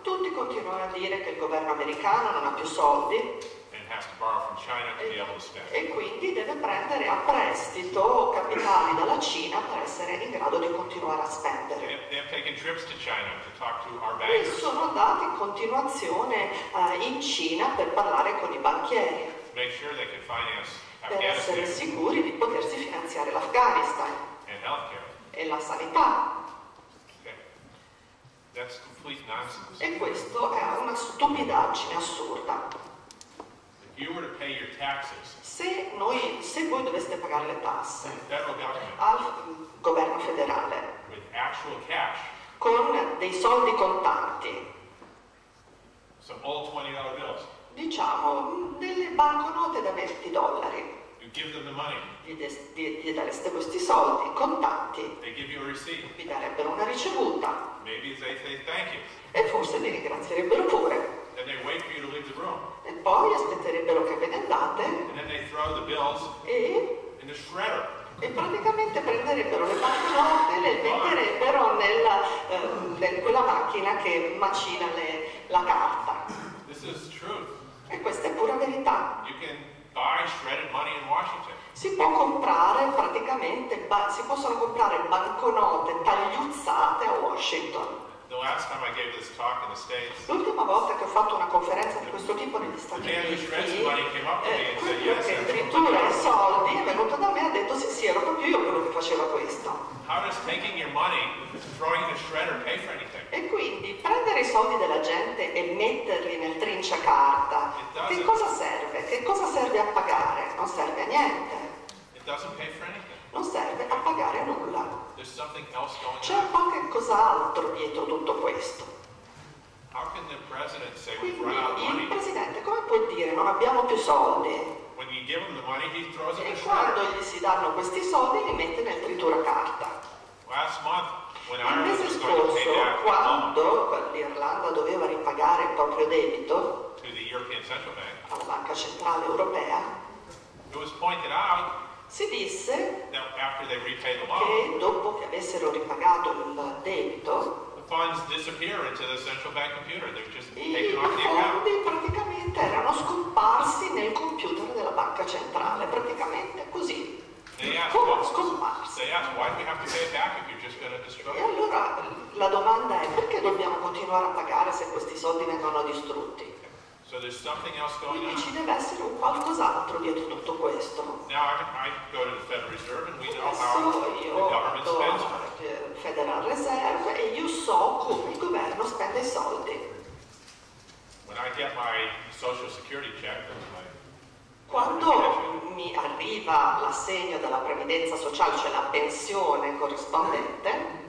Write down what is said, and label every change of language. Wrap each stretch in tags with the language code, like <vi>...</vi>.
<it>Tutti continuano a dire che il governo americano non ha più soldi.</it> <en>And has to borrow from China to be able to spend.</en> <it>E quindi deve prendere a prestito capitali dalla Cina per essere in grado di continuare a spendere.</it> <en>They have taken trips to China to talk to our bankers.</en> <it>E sono andati in continuazione in Cina per parlare con i banchieri.</it> <en>Make sure they can finance.</en> <it>Per essere sicuri di potersi finanziare l'Afghanistan e la sanità.</it> <en>Okay. That's complete nonsense.</en> <it>E questo è una stupidaggine assurda.</it> <en>If you were to pay your taxes,</en> <it>se voi doveste pagare le tasse al governo federale</it> <en>with actual cash,</en> <it>con dei soldi contanti,</it> <en>some old $20 bills,</en> <it>diciamo delle banconote da $20.</it> <en>Give them the money.</en> <it>Gli dareste questi soldi, contanti.</it> <en>They give you a receipt.</en> <it>Vi darebbero una ricevuta.</it> <en>Maybe they say thank you.</en> <it>E forse vi ringrazierebbero pure.</it> <en>Then they wait for you to leave the room.</en> <it>E poi aspetterebbero che ve ne andate.</it> <en>And then they throw the bills in the shredder.</en> <it>E praticamente prenderebbero le banconote e le metterebbero nella quella macchina che macina la carta.</it> <en>This is truth.</en> <it>E questa è pura verità.</it> <en>You can buy shredded money in Washington.</en> <it>Si può comprare praticamente, si possono comprare banconote tagliuzzate a Washington.</it> <en>The last time I gave this talk in the States,</en> <it>l'ultima volta che ho fatto una conferenza di questo tipo negli Stati Uniti, quello che tritura i soldi è venuto da me e ha detto sì, ero proprio io quello che faceva questo.</it> <en>How does taking your money, throwing the shredder, pay for anything?</en> <it>E quindi prendere i soldi della gente e metterli nel trinciacarta, che cosa serve? Che cosa serve a pagare? Non serve a niente.</it> <en>It doesn't pay for anything.</en> <it>Non serve a pagare nulla.</it> <en>There's something else going on.</en> <it>C'è qualche cos'altro dietro tutto questo.</it> <en>How can the president say</en> <it>quindi</it> <en>we've run out of money?</en> <it>Il presidente come può dire non abbiamo più soldi?</it> <en>When you give him the money, he throws</en> <it>e quando gli si danno questi soldi li mette nel trituracarta.</it> <en>Last month, when</en> <it>il mese scorso quando l'Irlanda doveva ripagare il proprio debito</it> <en>to the European Central Bank,</en> <it>alla Banca Centrale Europea,</it> <en>it was pointed out,</en> <it>si disse</it> <en>that after they repay the</en> <it>loan, che dopo che avessero ripagato il debito</it> <en>the funds disappear into the central bank computer. They're just taken off the account.</en> <it>Praticamente erano scomparsi nel computer della banca centrale, praticamente così. E allora la domanda è perché dobbiamo continuare a pagare se questi soldi vengono distrutti?</it> <en>So there's something else going</en> <it>quindi</it> <en>on.</en> <it>Ci deve essere un qualcos'altro dietro tutto questo.</it> <en>Now I go to the Federal Reserve and we know</en> <it>adesso</it> <en>how the government spends.</en> <it>Federal Reserve e io so come il governo spende i soldi.</it> <en>When I get my social security check, that's my</en> <it>quando mi arriva l'assegno della previdenza sociale, cioè la pensione corrispondente,</it>